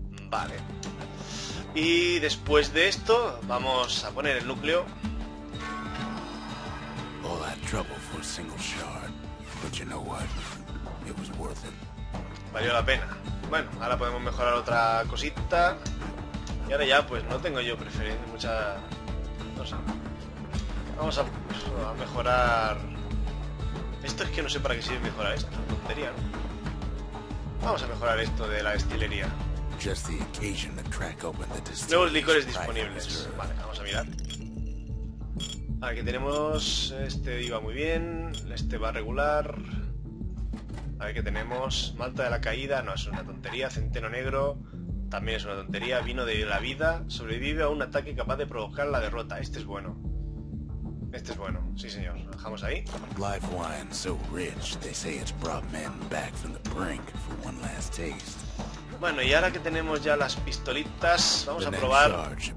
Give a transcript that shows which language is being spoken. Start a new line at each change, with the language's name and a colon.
Spanish: Vale. Y después de esto, vamos a poner el núcleo.
English: All that trouble for a single shard, but you know what? It was worth it.
Spanish: Valió la pena. Bueno, ahora podemos mejorar otra cosita. Y ahora ya, pues no tengo yo preferencia, mucha. No sé. Vamos a mejorar. Esto es que no sé para qué sirve mejorar esto. Tontería, ¿no? Vamos a mejorar esto de la destilería.
English: Just the occasion to crack open the distillery.
Spanish: Nuevos licores disponibles. Vale, vamos a mirar. Aquí tenemos, este iba muy bien, este va regular. A ver qué tenemos, malta de la caída, no, es una tontería. Centeno negro, también es una tontería. Vino de la vida, sobrevive a un ataque capaz de provocar la derrota. Este es bueno. Este es bueno, sí señor, lo dejamos ahí.
English: Life wine so rich, they say it's brought men back from the brink for one last taste.
Spanish: Bueno, y ahora que tenemos ya las pistolitas, vamos a probar.